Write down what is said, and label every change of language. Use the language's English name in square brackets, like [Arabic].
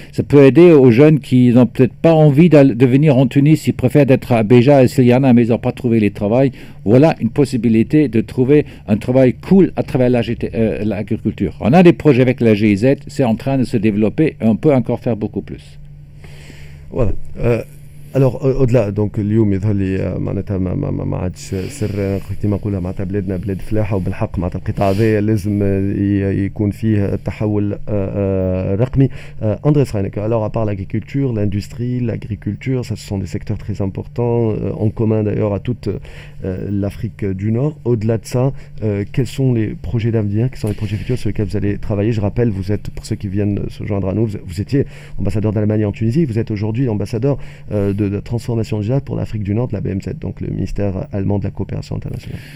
[French] Ça peut aider aux jeunes qui n'ont peut-être pas envie de venir en Tunis, ils préfèrent être à Béja et s'il y en a, mais ils n'ont pas trouvé le travail. Voilà une possibilité de trouver un travail cool à travers l'agriculture. On a des projets avec la GIZ, c'est en train de se développer et on peut encore faire beaucoup plus. Voilà. Alors au-delà donc [Arabic] اليوم يظهر لي معناتها ما عادش سر كيما نقولها معناتها بلادنا بلاد فلاحه وبالحق معناتها القطاع هذا لازم يكون فيه تحول رقمي. [French] Andreas Reinecke, alors à part l'agriculture, l'industrie, l'agriculture, ça ce sont des secteurs très importants en commun d'ailleurs à toute l'Afrique du Nord. Au-delà de ça, quels sont les projets d'avenir, quels sont les projets futurs sur lesquels vous allez travailler? Je rappelle, vous êtes, pour ceux qui viennent se joindre à nous, vous étiez ambassadeur d'Allemagne en Tunisie, vous êtes aujourd'hui ambassadeur de transformation digitale pour l'Afrique du Nord de la BMZ, donc le ministère allemand de la coopération internationale.